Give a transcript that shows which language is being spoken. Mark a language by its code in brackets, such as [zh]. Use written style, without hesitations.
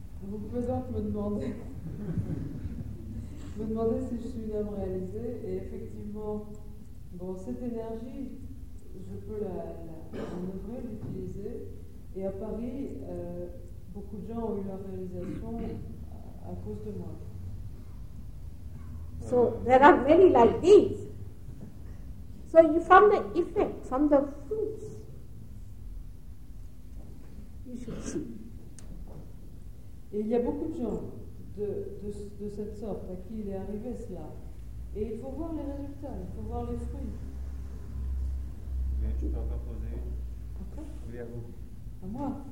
[fr] Vous pouvez donc me demander si je suis une âme réalisée, et effectivement, bon, cette énergie, je peux la manœuvrer, l'utiliser, et à Paris, beaucoup de gens ont eu leur réalisation à cause de moi. [en] So, there are many like these. So, you from the effect, from the fruits. [fr] Et il y a beaucoup de gens de cette sorte à qui il est arrivé cela. Et il faut voir les résultats, il faut voir les fruits. Mais je peux encore poser une. [en] Okay. [fr] Oui, à vous. À moi?